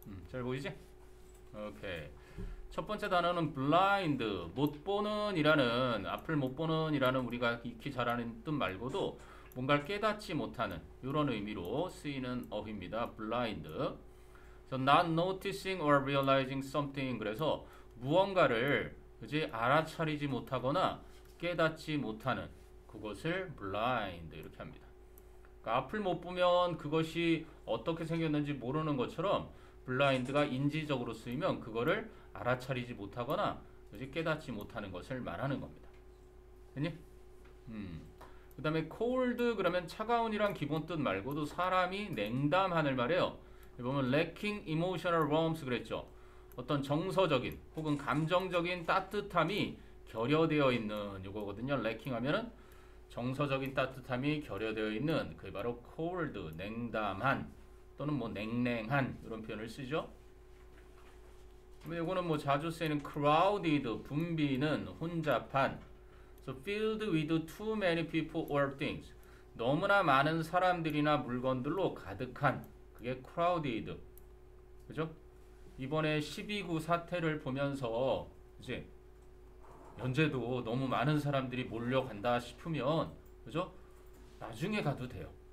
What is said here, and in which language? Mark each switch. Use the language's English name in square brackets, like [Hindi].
[Korean] 잘 보이지? 오케이. 첫 번째 단어는 blind, 못 보는 이라는, 앞을 못 보는 이라는 우리가 익히 잘 아는 뜻 말고도 뭔가를 깨닫지 못하는 이런 의미로 쓰이는 어휘입니다. blind. [English] So, not noticing or realizing something. [Korean] 그래서 무언가를 이제 알아차리지 못하거나 깨닫지 못하는 그것을 blind 이렇게 합니다. 그러니까 앞을 못 보면 그것이 어떻게 생겼는지 모르는 것처럼 blind가 인지적으로 쓰이면 그거를 알아차리지 못하거나 이제 깨닫지 못하는 것을 말하는 겁니다. 됐니? 그 다음에 cold 그러면 차가운이란 기본 뜻 말고도 사람이 냉담한을 말해요. 보면 [English] lacking emotional warmth [Korean] 그랬죠. 어떤 정서적인 혹은 감정적인 따뜻함이 결여되어 있는 요거거든요. lacking 하면은 정서적인 따뜻함이 결여되어 있는 그게 바로 cold, 냉담한 또는 뭐 냉랭한 이런 표현을 쓰죠. 그럼 요거는 뭐 자주 쓰이는 crowded, 붐비는 혼잡한. [English] So filled with too many people or things. [Korean] 너무나 많은 사람들이나 물건들로 가득한 그게 crowded. 그죠? 이번에 12구 사태를 보면서, 이제, 연제도 너무 많은 사람들이 몰려간다 싶으면, 그죠? 나중에 가도 돼요.